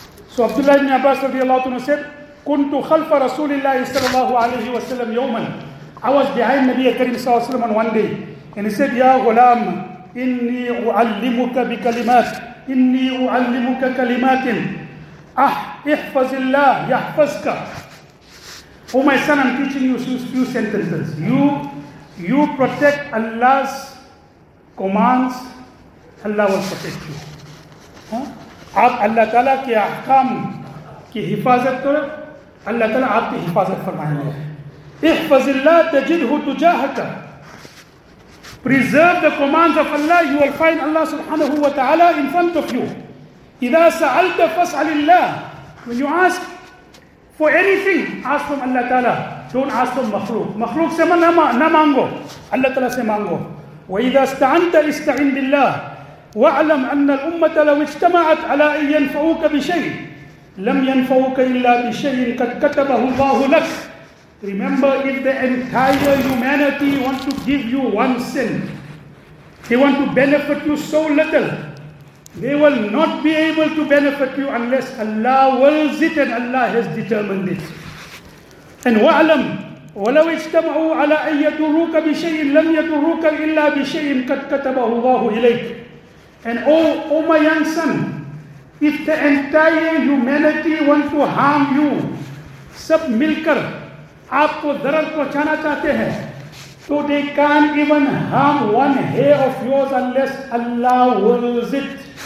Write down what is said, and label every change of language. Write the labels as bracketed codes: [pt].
[en] So Abdullah ibn Abbas radiallahu anhu said, [ar] كنت خلف رسول الله صلى الله عليه وسلم يوما. [en] I was behind Nabi Karim صلى الله عليه وسلم on one day. And he said, [ar] يا غلام إني أعلمك بكلمات إني أعلمك كلمات احفظ الله يحفظك. [en] Oh my son, I'm teaching you few sentences. You protect Allah's commands, Allah will protect you. [ur] آپ اللہ تعالیٰ کے احکام کی حفاظت کرو, اللہ تعالیٰ آپ کی حفاظت فرمائیں گے. [ar] احفظ اللہ تجدہ تجاہک. [en] Preserve the commands of Allah, you will find Allah سبحانہ و تعالیٰ in front of you. [ar] اذا سألت فاسأل اللہ. [en] When you ask for anything, ask from اللہ تعالیٰ. Don't ask from مخلوق. [ur] مخلوق سے نہ مانگو, اللہ تعالیٰ سے مانگو. [ar] وَإِذَا اسْتَعَنْتَ اسْتَعِنْ بِاللَّهِ وَعْلَمْ أَنَّ الْأُمَّةَ لَوِ اجْتَمَعَتْ عَلَىٰ أَن يَنْفَعُوكَ بِشَيْءٍ. لَمْ يَنْفَوْكَ إِلَّا بِشَيْءٍ قَدْ كَتَبَهُ اللَّهُ لَكَ. [en] Remember, if the entire humanity wants to give you one sin, they want to benefit you so little, they will not be able to benefit you unless Allah wills it and Allah has determined it. And wa'alam, [ar] وَلَوْ اِجْتَمَعُوا عَلَىٰ أَنْ يَدُرُّوكَ بِشَيْءٍ لَمْ يَدُرُّوكَ إِلَّا بِشَيْءٍ قَدْ كَتَبَهُ اللَّهُ إِلَيْكَ. [en] And oh my young son, if the entire humanity want to harm you, [ur] sab milkar aapko zarar pahunchana chahte hain, [en] so they can't even harm one hair of yours unless Allah wills it.